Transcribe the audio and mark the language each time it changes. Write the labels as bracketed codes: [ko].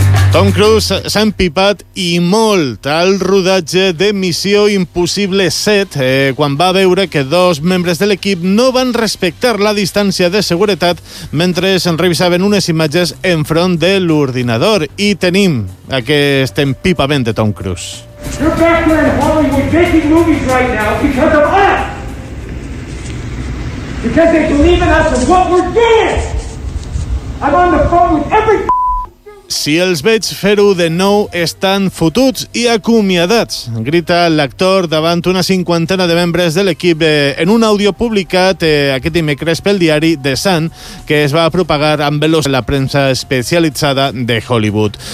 [ca] Tom Cruise s'ha empipat i molt al rodatge de Missió Impossible 7 quan va veure que dos membres de l'equip no van respectar la distància de seguretat mentre se'n revisaven unes imatges enfront de l'ordinador. I tenim aquest empipament de Tom Cruise. [en] You're back there in Hollywood making movies right now because they believe in us and what we're doing. I'm on the phone with every... [ca] Si els veig fer-ho de nou, estan fotuts i acomiadats, grita l'actor davant una cinquantena de membres de l'equip en un àudio publicat aquest dimecres pel diari The Sun, que es va propagar amb veloç la premsa especialitzada de Hollywood.